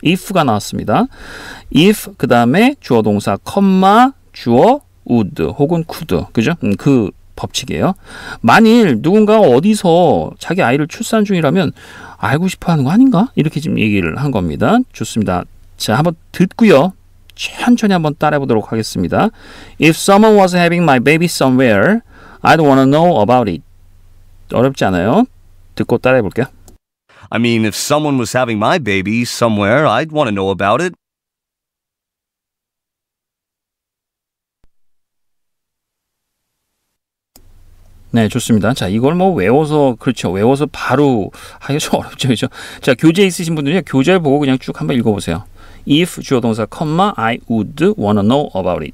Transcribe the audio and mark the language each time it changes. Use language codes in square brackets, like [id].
[ko] If가 나왔습니다. If, 그 다음에 주어 동사, 컴마, 주어, would, 혹은 could, 그죠? 그 법칙이에요. 만일 누군가 어디서 자기 아이를 출산 중이라면 알고 싶어 하는 거 아닌가? 이렇게 지금 얘기를 한 겁니다. 좋습니다. 자, 한번 듣고요. 천천히 한번 따라해 보도록 하겠습니다. [en] If someone was having my baby somewhere, I'd want to know about it. [ko] 어렵지 않아요? 듣고 따라해 볼게요. [en] I mean, if someone was having my baby somewhere, I'd want to know about it. [ko] 네, 좋습니다. 자, 이걸 뭐 외워서, 그렇죠. 외워서 바로 하기가 좀 어렵죠, 그죠? 자, 교재 있으신 분들은 교재를 보고 그냥 쭉 한번 읽어보세요. [en] If [ko] 주어 동사, [en] I would want to know about it.